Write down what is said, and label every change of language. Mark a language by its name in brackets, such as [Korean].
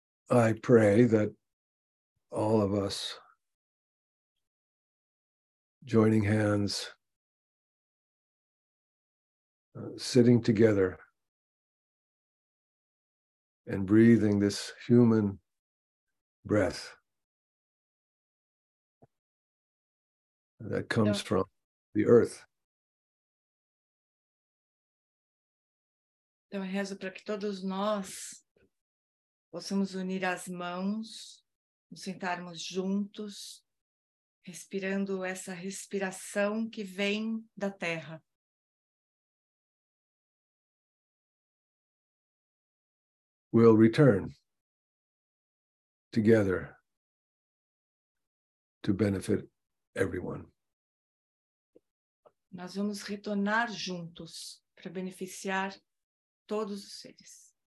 [English] I pray that all of us, joining hands, sitting together and breathing this human breath that comes from the earth. [Portuguese] Então, eu rezo para que todos nós possamos unir as mãos, nos sentarmos juntos, respirando essa respiração que vem da terra. [English] We'll return together to benefit everyone. [Portuguese] Nós vamos retornar juntos para beneficiar todos os seres.